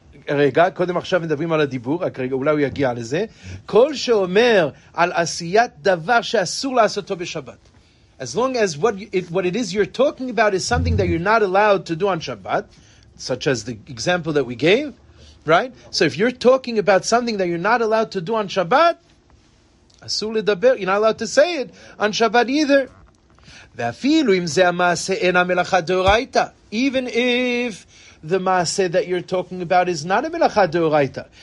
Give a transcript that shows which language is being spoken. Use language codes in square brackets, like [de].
[he] רגע, קודם עכשיו מדברים על הדיבור, רגע, אולי הוא יגיע לזה. כל שאומר על עשיית דבר שאסור לעשותו בשבת. [en] As long as what it is you're talking about is something that you're not allowed to do on Shabbat, such as the example that we gave, right? So if you're talking about something that you're not allowed to do on Shabbat, [he] אסור לדבר, [en] you're not allowed to say it on Shabbat either. [he] ואפילו אם זה המעשה אין המלאכה דאורייתא. [en] Even if the maaseh that you're talking about is not a melacha deoraita.